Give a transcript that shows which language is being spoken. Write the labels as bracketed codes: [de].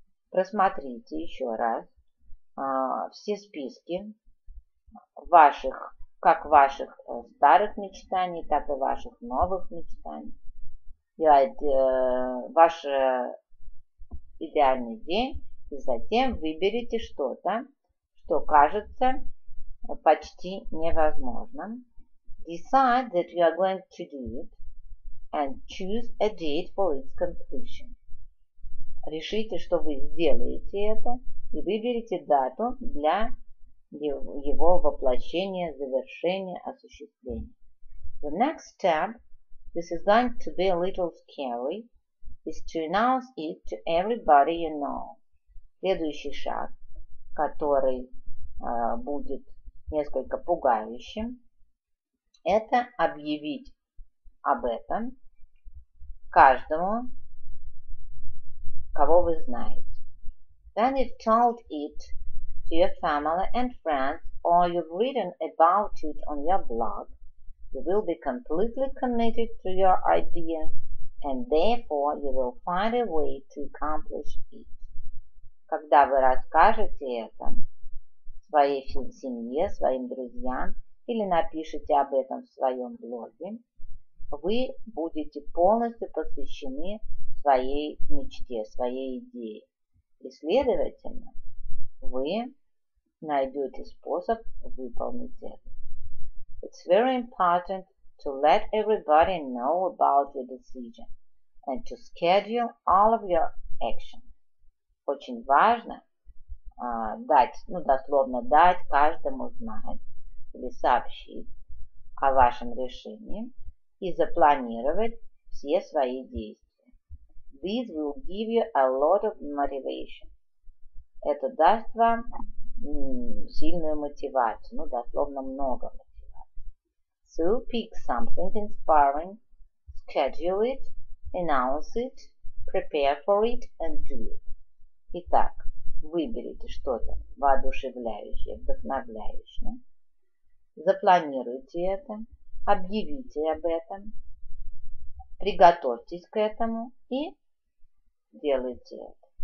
[ru] Просмотрите еще раз все списки ваших, как ваших старых мечтаний, так и ваших новых мечтаний. Ваш идеальный день, и затем выберите что-то, что кажется почти невозможным. [en] Decide that you are going to do it and choose a date for its completion. [ru] решите, что вы сделаете это, и выберите дату для его воплощения, завершения, осуществления. [en] The next step, this is going to be a little scary, is to announce it to everybody you know. [ru] Следующий шаг, который будет несколько пугающим, это объявить об этом каждому, кого вы знаете. [en] Then you've told it to your family and friends, or you've written about it on your blog, you will be completely committed to your idea, and therefore you will find a way to accomplish it. [ru] Когда вы расскажете это своей семье, своим друзьям или напишете об этом в своем блоге, вы будете полностью посвящены своей мечте, своей идее. И, следовательно, вы найдете способ выполнить это. [en] It's very important to let everybody know about your decision and to schedule all of your actions. [ru] Очень важно дать каждому знать или сообщить о вашем решении и запланировать все свои действия. [en] This will give you a lot of motivation. [ru] Это даст вам сильную мотивацию, много мотивации. [en] So pick something inspiring, schedule it, announce it, prepare for it and do it. [ru] Итак, выберите что-то воодушевляющее, вдохновляющее, запланируйте это, объявите об этом, приготовьтесь к этому и делайте это.